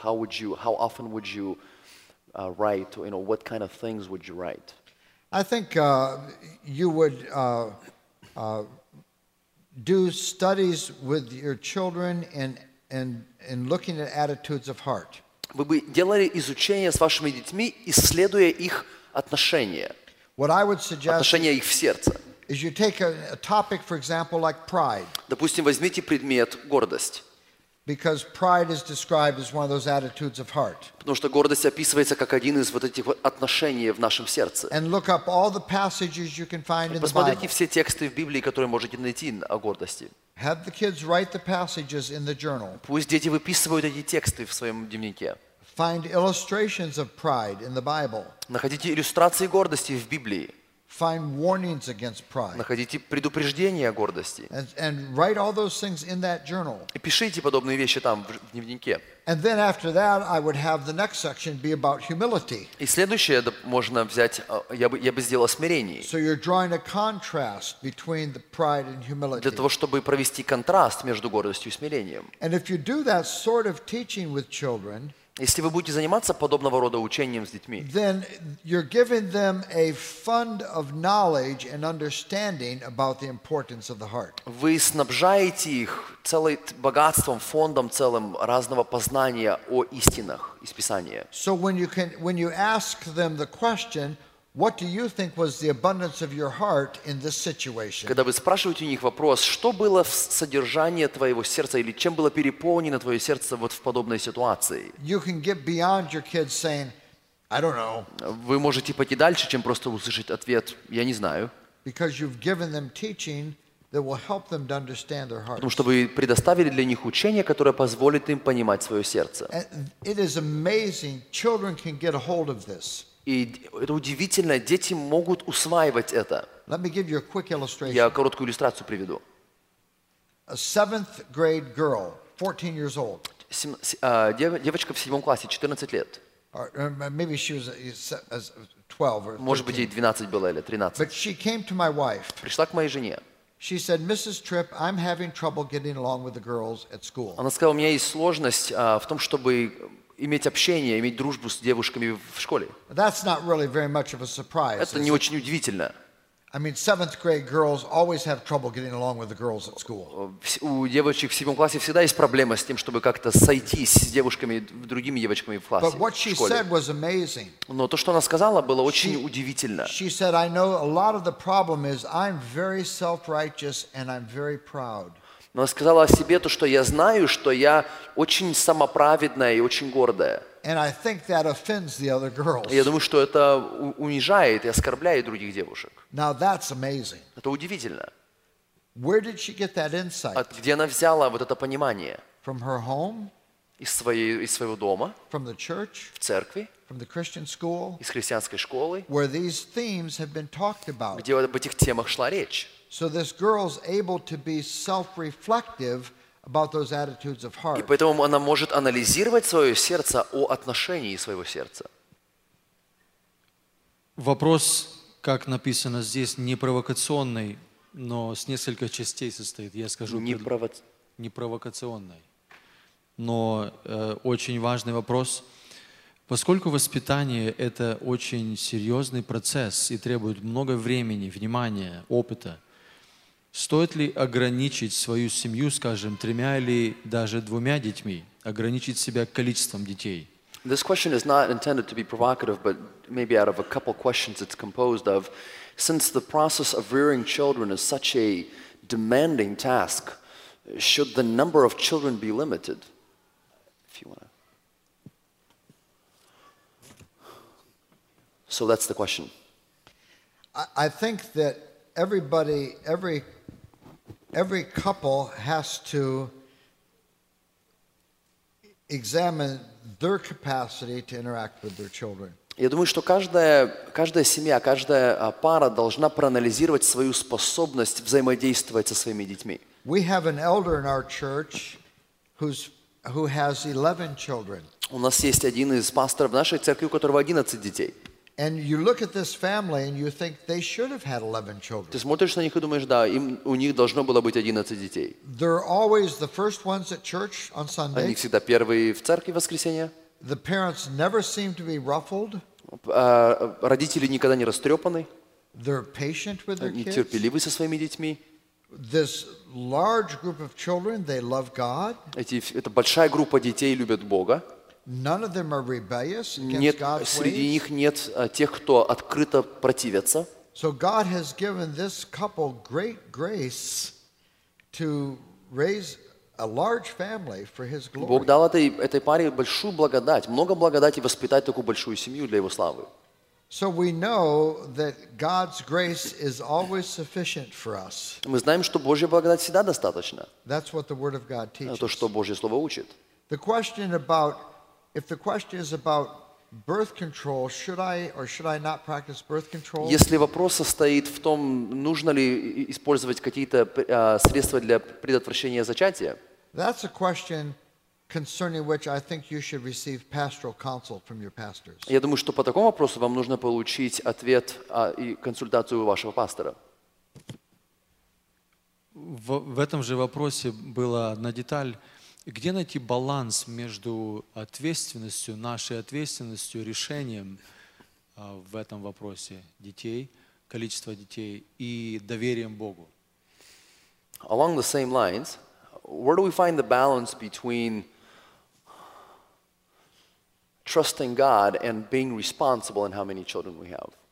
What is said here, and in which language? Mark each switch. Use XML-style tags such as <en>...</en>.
<en>How would you, how often would you write? You know, what kind of things would you write? I think you would do studies with your children and looking at attitudes of heart.</en> <ru>Вы бы делали изучение с вашими детьми, исследуя их отношения.</ru> <en>What I would suggest</en> <ru>отношения их в сердце.</ru> <en>Is you take a topic, for example, like pride.</en> <ru>Допустим, возьмите предмет гордость.</ru> <en>Because pride is described as one of those attitudes of heart.</en> <ru>Потому что гордость описывается как один из вот этих вот отношений в нашем сердце.</ru> <en>And look up all the passages you can find in the Bible.</en> <ru>Посмотрите все тексты в Библии, которые можете найти о гордости.</ru> <en>Have the kids write the passages in the journal.</en> <ru>Пусть дети выписывают эти тексты в своем дневнике.</ru> <en>Find illustrations of pride in the Bible.</en> <ru>Находите иллюстрации гордости в Библии.</ru> <en>Find warnings against pride.</en> <ru>Находите предупреждения о гордости.</ru> <en>And write all those things in that journal.</en> <ru>И пишите подобные вещи там в дневнике.</ru> <en>And then after that, I would have the next section be about humility.</en> <ru>И следующее можно взять, я бы сделал смирение.</ru> <en>So you're drawing a contrast between the pride and humility.</en> <ru>Для того, чтобы провести контраст между гордостью и смирением.</ru> <en>And if you do that sort of teaching with children.</en> <ru>Если вы будете заниматься подобного рода учением с детьми,</ru> <en>then you're giving them a fund of knowledge and understanding about the importance of the heart.</en> <ru>Вы снабжаете их целым богатством, фондом целым разного познания о истинах из Писания.</ru> <en>So when you ask them the question, what do you think was the abundance of your heart in this situation?</en> <ru>Когда вы спрашиваете у них вопрос, что было в содержании твоего сердца или чем было переполнено твое сердце вот в подобной ситуации?</ru> <en>You can get beyond your kids saying, I don't know.</en> <ru>Вы можете пойти дальше, чем просто услышать ответ, я не знаю.</ru> <en>Because you've given them teaching that will help them to understand their hearts.</en> <ru>Потому что вы предоставили для них учение, которое позволит им понимать свое сердце.</ru> <en>It is amazing. Children can get a hold of this.</en> <ru>И это удивительно, дети могут усваивать это.</ru> <en>Let me give you a quick illustration.</en> <ru>Я короткую иллюстрацию приведу.</ru> <en>A seventh grade girl, 14 years old.</en> <ru>Девочка в седьмом классе, 14 лет.</ru> <en>Maybe she was 12 or</en> <ru>может быть, ей 12 было или 13.</ru> <en>But she came to my wife.</en> <ru>Пришла к моей жене.</ru> <en>She said, Mrs. Tripp, I'm having trouble getting along with the girls at school.</en> <ru>Она сказала, у меня есть сложность в том, чтобы иметь общение, иметь дружбу с девушками в школе.</ru> <en>That's not really very much of a surprise.</en> <ru>Это не очень удивительно.</ru> <en>I mean, seventh grade girls always have trouble getting along with the girls at school.</en> <ru>У девочек в седьмом классе всегда есть проблема с тем, чтобы как-то сойтись с девушками, другими девочками в классе.</ru> <en>But what she said was amazing.</en> <ru>Но то, что она сказала, было очень удивительно.</ru> <en>She said, I know a lot of the problem is I'm very self-righteous and I'm very proud.</en> <ru>Но она сказала о себе то, что я знаю, что я очень самоправедная и очень гордая. И я думаю, что это унижает и оскорбляет других девушек. Это удивительно. Где она взяла вот это понимание? Из своего дома? В церкви? Из христианской школы? Где об этих темах шла речь?</ru> <en>So this girl's able to be self-reflective about those attitudes of heart.</en> <ru>И поэтому она может анализировать свое сердце о отношении своего сердца. Вопрос, как написано здесь, не провокационный, но с нескольких частей состоит. Я скажу не провокационный, но очень важный вопрос. Поскольку воспитание — это очень серьезный процесс и требует много времени, внимания, опыта, стоит ли ограничить свою семью, скажем, тремя или даже двумя детьми, ограничить себя количеством детей?</ru> <en>This question is not intended to be provocative, but maybe out of a couple questions it's composed of. Since the process of rearing children is such a demanding task, should the number of children be limited? If you want to. So that's the question. I think that everybody, every couple has to examine their capacity to interact with their children.</en> <ru>Я думаю, что каждая семья, каждая пара должна проанализировать свою способность взаимодействовать со своими детьми.</ru> <en>We have an elder in our church who has 11 children.</en> <ru>У нас есть один из пасторов нашей церкви, у которого 11 детей.</ru> <en>And you look at this family and you think they should have had 11 children.</en> <ru>Ты смотришь на них и думаешь, да, им у них должно было быть 11 детей.</ru> <en>They're always the first ones at church on Sunday.</en> <ru>Они всегда первые в церкви в воскресенье.</ru> <en>The parents never seem to be ruffled.</en> <ru>Родители никогда не растрепаны.</ru> <en>They're patient with their kids.</en> <ru>Они терпеливы со своими детьми.</ru> <en>This large group of children, they love God.</en> <ru>Это большая группа детей любят Бога.</ru> <en>None of them are rebellious against God's ways.</en> <ru>Нет, среди них нет тех, кто открыто противится.</ru> <en>So God has given this couple great grace to raise a large family for His glory.</en> <ru>Бог дал этой паре большую благодать, много благодати воспитать такую большую семью для Его славы.</ru> <en>So we know that God's grace is always sufficient for us.</en> <ru>Мы знаем, что Божья благодать всегда достаточна.</ru> <en>That's what the Word of God teaches.</en> <ru>Это то, что Божье слово учит.</ru> <en>If the question is about birth control, should I or should I not practice birth control?</en> <ru>Если вопрос состоит в том, нужно ли использовать какие-то средства для предотвращения зачатия?</ru> <en>That's a question concerning which I think you should receive pastoral counsel from your pastors.</en> <ru>Я думаю, что по такому вопросу вам нужно получить ответ и консультацию вашего пастора. В этом же вопросе была одна деталь. Где найти баланс между ответственностью, нашей ответственностью, решением в этом вопросе детей, количество детей и доверием Богу?</ru> <en>Along the same lines, where do we find the balance between trusting God and being responsible in how many children we have?</en>